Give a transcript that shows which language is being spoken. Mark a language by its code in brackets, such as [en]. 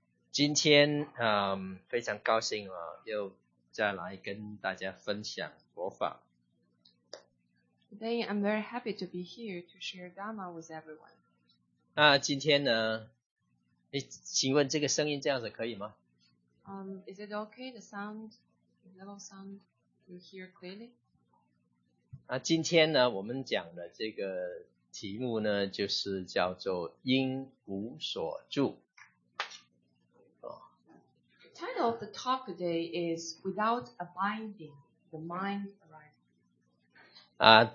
[zh] 今天非常高兴啊，又再来跟大家分享佛法。 [en] Today I'm very happy to be here to share Dharma with everyone. [zh] 那今天呢？哎，请问这个声音这样子可以吗？ [en] Is it okay the sound? The little sound you hear clearly? [zh] 那今天呢，我们讲的这个题目呢，就是叫做因无所住。 [en] The title of the talk today is Without Abiding, the Mind Arises.